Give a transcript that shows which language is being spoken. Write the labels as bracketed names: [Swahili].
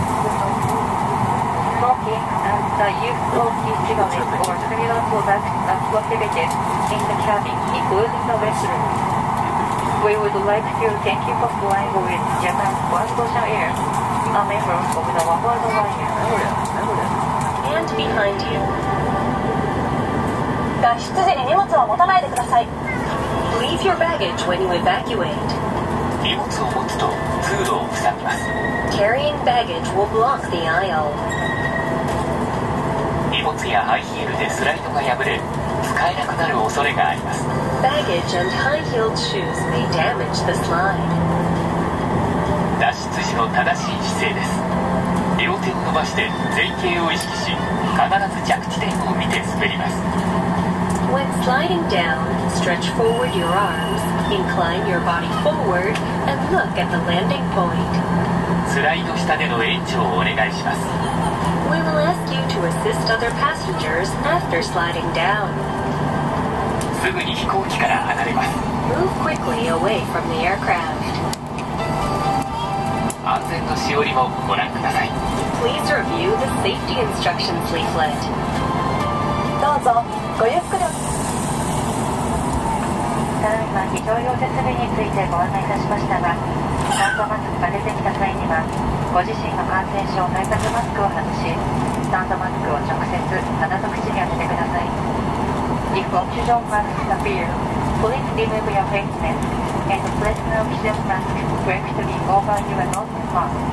[English] Smoking and the use of cigarettes or similar products are prohibited. In the cabin, including the restroom. We would like to thank you for flying with Japan West Ocean Air, a member of the One World Alliance. And behind you. [Japanese] 脱出時に荷物を持たないでください。 [English] Leave your baggage when you evacuate. [Japanese] 荷物を持つと通路を塞ぎます。 [English] Carrying baggage will block the aisle. Baggage and high-heeled shoes may damage the slide. [Japanese] 脱出時の正しい姿勢です。両手を伸ばして前傾を意識し、必ず着地点を見て滑ります。 [English] When sliding down, stretch forward your arms, incline your body forward, and look at the landing point. [Japanese] スライド下での延長をお願いします。 [English] We will ask you to assist other passengers after sliding down. [Japanese] すぐに飛行機から離れます。 [English] Move quickly away from the aircraft. [Japanese] 安全のしおりもご覧ください。 [English] Please review the safety instructions leaflet. [Japanese] どうぞ、ごゆっくり。ただいま、非常用設備についてご案内いたしましたが、酸素マスクが出てきた際には、ご自身の感染症対策マスクを外し、スタンドマスクを直接鼻と口に当ててください。 [English] If oxygen masks appear, please remove your face mask and place an oxygen mask directly over your nose and mouth.